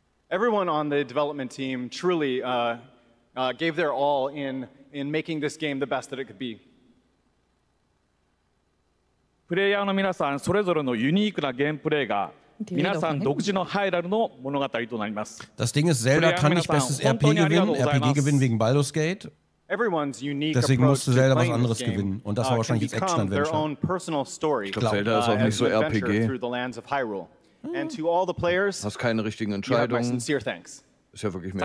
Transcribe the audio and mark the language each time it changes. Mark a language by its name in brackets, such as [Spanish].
[English] Everyone on the development team truly gave their all in making this game the best that it could be. [Japanese] プレイヤーの皆さんそれぞれのユニークなゲームプレイが皆さん独自のハイラルの物語となります。 [German] Das Ding ist, Zelda kann nicht bestes RPG gewinnen wegen Baldur's Gate. [English] Everyone's unique. [German] Deswegen musste Zelda was anderes gewinnen. Und das war wahrscheinlich jetzt Action Adventure. Ich glaube, Zelda ist auch nicht so RPG. [English] And to all the players, [German] hast keine richtigen Entscheidungen. Ist ja wirklich mehr